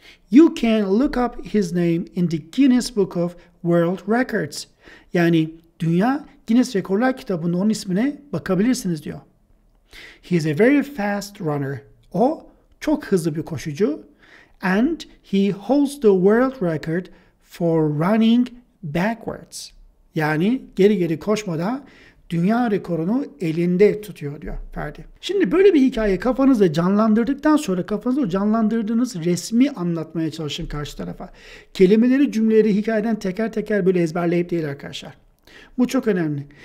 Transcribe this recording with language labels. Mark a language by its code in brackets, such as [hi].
[en] You can look up his name in the Guinness Book of World Records. [tr] Yani dünya Guinness Rekorlar Kitabı'nın onun ismine bakabilirsiniz diyor. [en] He is a very fast runner. [tr] O çok hızlı bir koşucu. [en] And he holds the world record for running backwards. [tr] Yani geri geri koşmada dünya rekorunu elinde tutuyor diyor Ferdi. Şimdi böyle bir hikaye kafanızda canlandırdıktan sonra kafanızda canlandırdığınız resmi anlatmaya çalışın karşı tarafa. Kelimeleri, cümleleri hikayeden teker teker böyle ezberleyip değil arkadaşlar. Bu çok önemli.